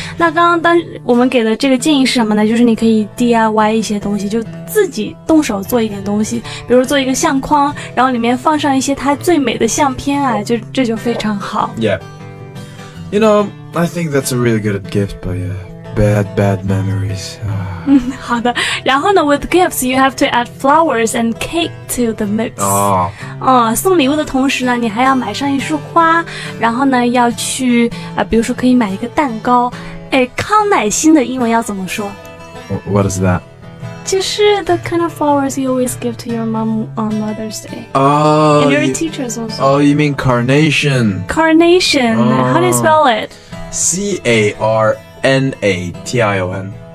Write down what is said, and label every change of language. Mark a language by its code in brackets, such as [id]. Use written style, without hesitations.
[zh] 那刚刚当我们给的这个建议是什么呢？就是你可以 DIY 一些东西，就自己动手做一点东西，比如做一个相框，然后里面放上一些她最美的相片啊，就这就非常好。 [en] Yeah. You know, I think that's a really good gift, but yeah. Bad memories. [zh] 好的然后呢 [en] with gifts, you have to add flowers and cake to the mix. [zh] 送礼物的同时呢你还要买上一束花然后呢要去、比如说可以买一个蛋糕。哎康乃馨的英文要怎么说 [en] What is that? [zh] 就是 [en] the kind of flowers you always give to your mom on Mother's Day. And your teachers also. Oh, you mean carnation. Carnation.、How do you spell it? CARNATION